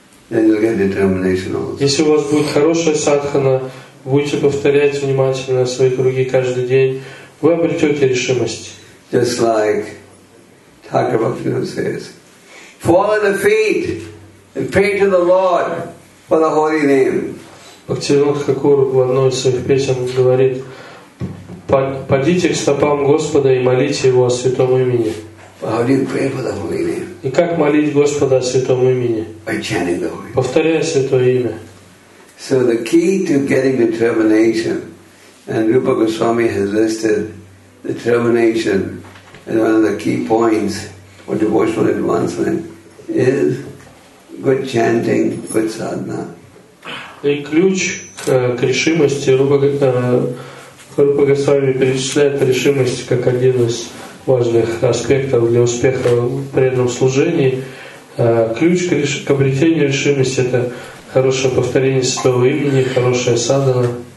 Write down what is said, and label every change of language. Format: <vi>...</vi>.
<ru>Если у вас будет хорошая садхана, будете повторять внимательно свои круги каждый день, вы обретете решимость.</ru> <en>Just like Thakur Bhaktivinoda says, fall at the feet and pray to the Lord for the holy name.</en> <ru>Бхактивинода Хакур в одной из своих песен говорит: «Падите к стопам Господа и молите Его о святом имени».</ru> <en>How do you pray for the holy name?</en> <ru>И как молить Господа о святом имени?</ru> <en>By chanting the holy name.</en> <ru>Повторяя святое имя.</ru> <en>So the key to getting determination, and Rupa Goswami has listed determination as one of the key points for devotional advancement is good chanting, good sadhana.</en> <ru>И ключ к решимости Рупа Госвами перечисляет решимость как один из важных аспектов для успеха в преданном служении. Ключ к обретению решимости — это хорошее повторение святого имени, хорошая садхана.</ru>